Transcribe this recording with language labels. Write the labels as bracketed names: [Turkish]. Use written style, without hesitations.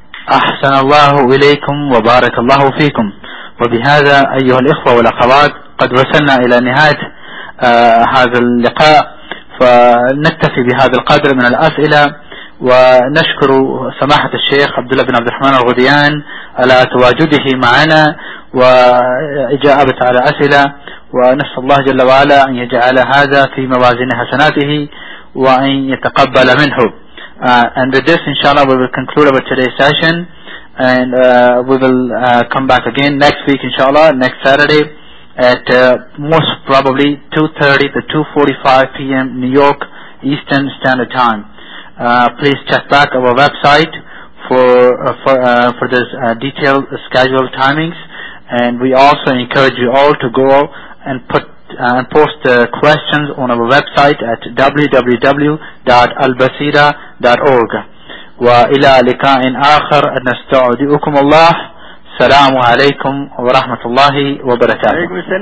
[Arabic] أحسن الله إليكم وبارك الله فيكم. وبهذا أيها الإخوة والأخوات قد وصلنا إلى نهاية هذا اللقاء، فنكتفي بهذا القدر من الأسئلة، ونشكر سماحة الشيخ عبد الله بن عبد الرحمن الغديان على تواجده معنا وإجابة على أسئلة، ونسأل الله جل وعلا أن يجعل هذا في موازين حسناته وأن يتقبل منه. [English] And with this, inshallah, we will conclude our today's session, and we will come back again next week, inshallah, next Saturday, at most probably 2:30 to 2:45 p.m. New York Eastern Standard Time. Please check back our website for this detailed schedule timings, and we also encourage you all to go and post questions on our website at www.albasira.org. [Arabic] وإلى لقاء آخر نستودعكم الله. السلام عليكم ورحمة الله وبركاته.